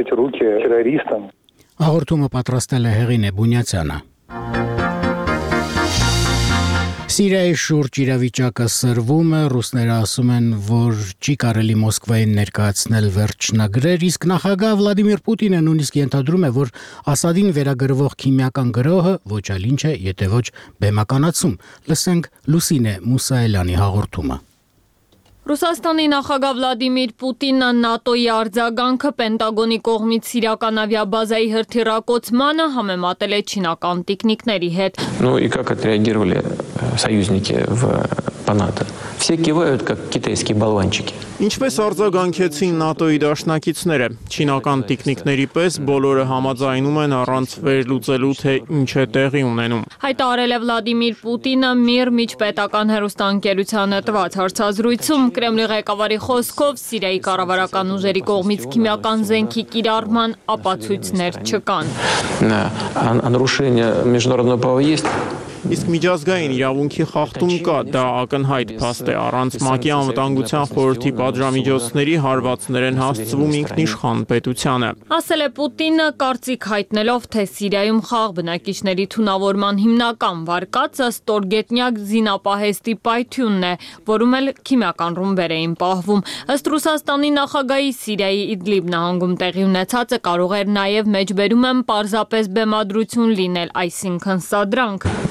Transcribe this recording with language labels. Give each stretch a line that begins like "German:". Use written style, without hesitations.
Armenian: Հաղորդումը պատրաստել է Հեղինե Բունյացյանը։ Սիրիայի շուրջ իրավիճակը սրվում է, ռուսները ասում են, որ չի կարելի Մոսկվային ներկայացնել վերջնագրեր, իսկ նախագահ Վլադիմիր Պուտինը նույնիսկ ենթադրում է, որ Ասադին վերագրվող քիմիական գրոհը ոչ այլ ինչ է, եթե ոչ բեմականացում։ Լսենք Լուսինե Մուսայելյանի հաղորդումը։ Ռուսաստանի նախագահ Վլադիմիր Պուտինը ՆԱՏՕ-ի արձագանքը Պենտագոնի կողմից սիրական ավիաբազայի հրթիռակոցմանը համեմատել է չինական տիկնիկների հետ։
Russian: Ну и как отреагировали союзники в НАТО? Все кивают как китайские болванчики.
Armenian: Ինչպես արձագանքեցին ՆԱՏՕ-ի դաշնակիցները, չինական տիկնիկների պես բոլորը համաձայնում են առանց վերլուծելու, թե ինչ է տեղի ունենում։ Հայտարարել է Վլադիմիր Պուտինը միր միջպետական հերոստանկերության հետված հարցազրույցում։ Կրեմլի ղեկավարի խոսքով Սիրիայի կառավարական ուժերի կողմից քիմիական զենքի կիրառման ապացույցներ չկան։
Russian: Նա, нарушение международного права есть?
Armenian: իսկ միջազգային իրավունքի խախտում կա, դա ակնհայտ փաստ է, առանց ՄԱԿ-ի անվտանգության խորհրդի պատժամիջոցների հարվածներ են հասցվում ինքնիշխան պետությանը։ Ասել է Պուտինը, կարծիք հայտնելով, թե Սիրիայում խաղ բնակիչների թունավորման հիմնական վարկածը ստորգետնյակ զինապահեստի պայթյունն է, որում էլ քիմիական ռումբեր էին պահվում։ Ըստ Ռուսաստանի նախագահի Սիրիայի Իդլիբ նահանգում տեղի ունեցածը կարող էր նաև մեջբերում են պարզապես բեմադրություն լինել, այսինքն սադրանք։